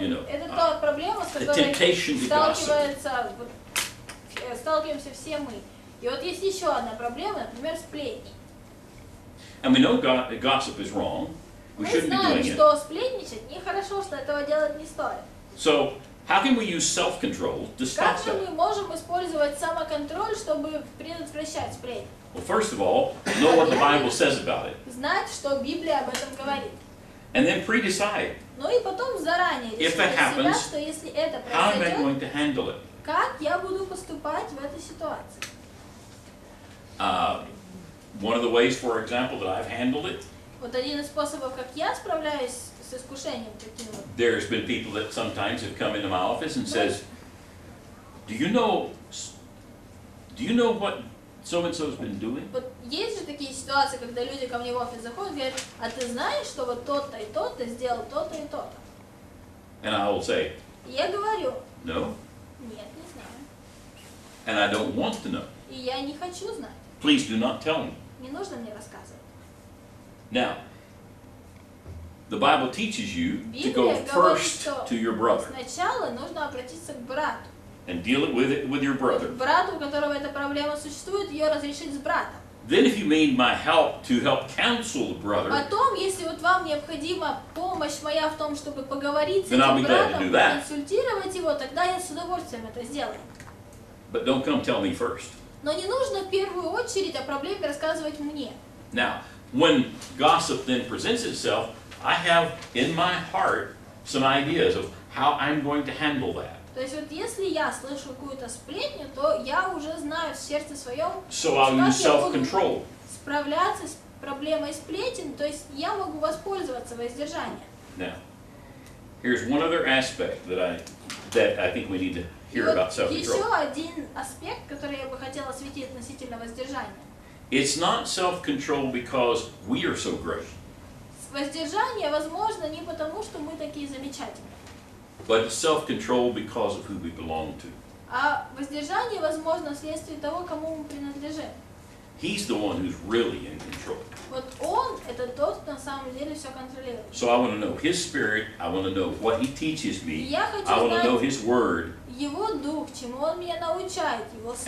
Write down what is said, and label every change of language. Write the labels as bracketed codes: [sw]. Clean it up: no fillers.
[en] You know. [ru] Это та проблема, с которой сталкиваемся все мы. И вот есть еще одна проблема, например, сплетни. [en] And we know gossip is wrong. We shouldn't be doing it. [ru] Мы знаем, что сплетничать нехорошо, что этого делать не стоит. [en] So, how can we use self-control to stop that? [ru] Как мы можем использовать самоконтроль, чтобы предотвращать сплетни? [en] Well, first of all, know what the Bible says about it. [ru] Знать, что Библия об этом говорит. [en] And then pre-decide. [ru] Ну и потом заранее решить для себя, что если это произойдет, [en] how am I going to handle it? [ru] Как я буду поступать в этой ситуации? [en] One of the ways, for example, that I've handled it. [ru] Вот один из способов, как я справляюсь. [en] There's been people that sometimes have come into my office and says, do you know what so-and-so has been doing? [ru] But есть же такие ситуации, когда люди ко мне в офис заходят и говорят, а ты знаешь, что вот тот-то и тот-то сделал то-то и то-то? [en] And I will say, [ru] я говорю, [en] no. [ru] Нет, не знаю. [en] And I don't want to know. [ru] И я не хочу знать. [en] Please do not tell me. [ru] Не нужно мне рассказывать. [en] Now, the Bible teaches you to go first to your brother. [ru] Сначала нужно обратиться к брату. [en] And deal with your brother. [ru] Брату, у которого эта проблема существует, ее разрешить с братом. [en] Then if you need my help to help counsel the brother. [ru] Потом, если вот вам необходима помощь моя в том, чтобы поговорить с этим братом, консультировать его, тогда я с удовольствием это сделаю. [en] But don't come tell me first. [ru] Но не нужно в первую очередь о проблеме рассказывать мне. [en] Now, when gossip then presents itself, I have in my heart some ideas of how I'm going to handle that. [ru] То есть вот если я слышу какую-то сплетню, то я уже знаю в сердце своем, [en] so I'll use self-control. [ru] Справляться с проблемой сплетен, то есть я могу воспользоваться воздержанием. [en] Now, here's one other aspect that I think we need to hear about self-control. [ru] Еще один аспект, который я бы хотела осветить относительно воздержания. [en] It's not self-control because we are so great. [ru] Воздержание возможно не потому, что мы такие замечательные. [en] But self-control because of who we belong to. [ru] А воздержание возможно вследствие того, кому мы принадлежим. [en] He's the one who's really in control. [ru] Вот он, это тот, кто на самом деле все контролирует. [en] So I want to know his spirit, I want to know what he teaches me, [ru] я хочу [en] I want to know his word. [ru] Его дух, чему он меня научает, его слово.